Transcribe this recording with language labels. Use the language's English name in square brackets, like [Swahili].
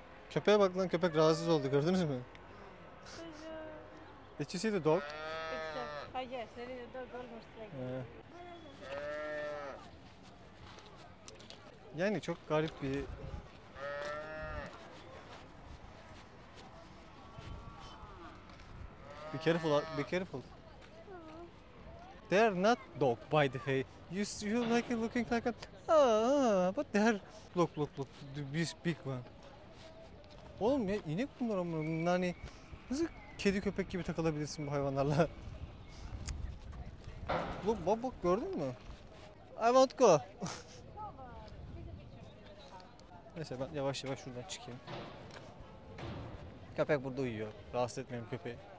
[Turkish] Köpeğe bak lan, köpek rahatsız oldu, gördünüz mü? [English] Did you see the dog? Yes, there is a dog almost like. Yeah. [Turkish] Yani çok garip bir... [English] Be careful. They're not dog by the way. You like it looking like a... But they're... Look. This big one. [Turkish] Oğlum ya, inek bunlar ama. Hani nasıl kedi köpek gibi takılabilirsin bu hayvanlarla? [English] Look, [Turkish] bak gördün mü? [English] I won't go. [Turkish] Neyse ben yavaş şuradan çıkayım. Köpek burada uyuyor. Rahatsız etmeyeyim köpeği.